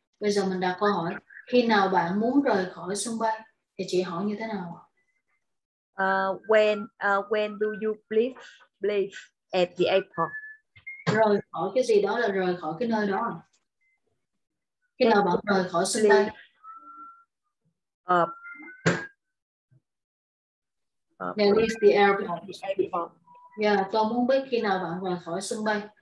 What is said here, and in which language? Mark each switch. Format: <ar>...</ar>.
<vi>Bây giờ mình đặt câu hỏi khi nào bạn muốn rời khỏi sân bay thì chị hỏi như thế nào?</vi> <en>When do you leave at the airport?</en> <vi>Rời khỏi cái gì đó là rời khỏi cái nơi đó. Khi nào bạn rời khỏi sân bay?</vi> <en>Leave the airport.</en> <vi>Yeah, tôi muốn biết khi nào bạn rời khỏi sân bay.</vi>